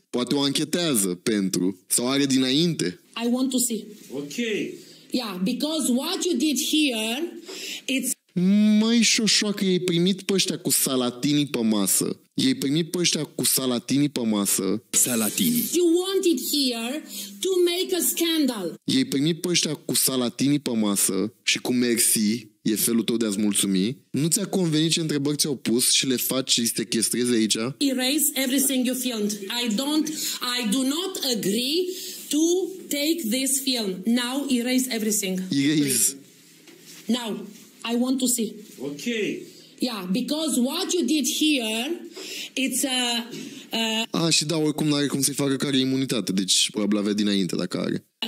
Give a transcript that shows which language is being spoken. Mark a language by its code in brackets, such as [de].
[ro] Poate o anchetează pentru, sau are dinainte. [en] I want to see. Ok. Yeah, because what you did here, it's... [ro] Măi, Șoșoacă, i-ai primit pe ăștia cu salatinii pe masă. I-ai primit pe ăștia cu salatinii pe masă. Salatinii. [en] You want it here to make a scandal. [ro] I-ai primit pe ăștia cu salatinii pe masă și cu mersi, e felul tău de a-ți mulțumi. Nu ți-a convenit ce întrebări ți-au pus și le faci și te chestrezi aici? [en] Erase everything you filmed. I do not agree to take this film. Now erase everything. Erase. Now. I want to see. Okay. Yeah, because what you did here, it's a... [ro] Ah, și da, oricum n-are cum să-i facă care imunitate, deci probabil avea dinainte dacă are.